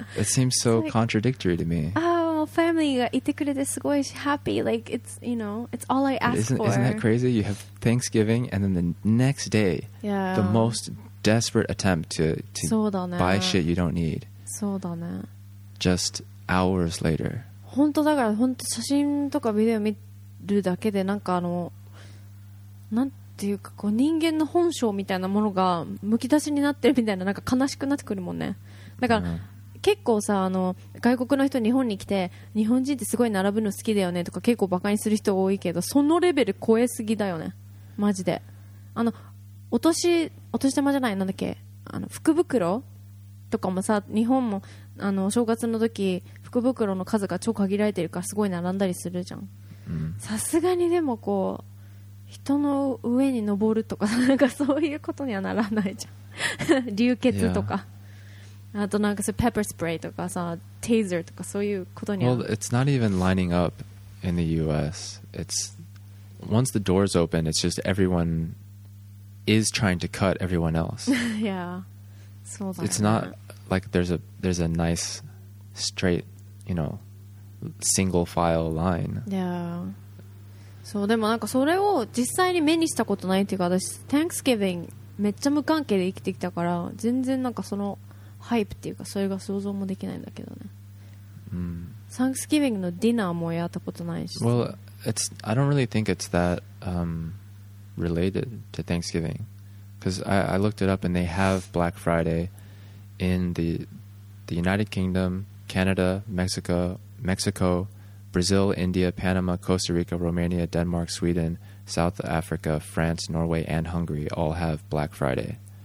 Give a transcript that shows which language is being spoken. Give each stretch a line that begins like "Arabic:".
English: It seems so contradictory to me. Family
Japanese: がいてくれてすごい
English: happy. Like it's, you know, it's all I ask isn't, for. Isn't that crazy? You have Thanksgiving and then the next day, the most desperate attempt to buy shit you don't need.
Japanese: そうだね。
English: Just hours later.
Japanese: 本当だから本当写真とかビデオ見るだけでなんかあのなんていうかこう人間の本性みたいなものがむき出しになってるみたいななんか悲しくなってくるもんね。だから。結構さあの外国の人日本に来て日本人ってすごい並ぶの好きだよねとか結構バカにする人多いけどそのレベル超えすぎだよねマジであのお年玉じゃないなんだっけあの福袋とかもさ日本もあの正月の時福袋の数が超限られてるからすごい並んだりするじゃんさすがにでもこう人の上に登るとかなんかそういうことにはならないじゃん流血とか、
English: yeah.
Japanese: あとなんかそうペッパースプレーとかさテーザーとかそういうことには
English: Well, it's not even lining up in the US. It's once the doors open, it's just everyone is trying to cut everyone else. yeah,
Japanese: そうだ、ね、
English: It's not like there's a nice straight, you know, single file line. Yeah.
Japanese: そうでもなんかそれを実際に目にしたことないっていうか私 Thanksgiving めっちゃ無関係で生きてきたから全然なんかそのハイプっていうかそれが想像もできないんだけどね、 mm. Thanksgiving のディナーもやったことないし
English: Well, it's, I don't really think it's that、related to Thanksgiving because I looked it up and they have Black Friday in the United Kingdom, Canada, Mexico,Brazil, India, Panama, Costa Rica, Romania, Denmark, Sweden, South Africa, France, Norway, and Hungary all have Black Friday.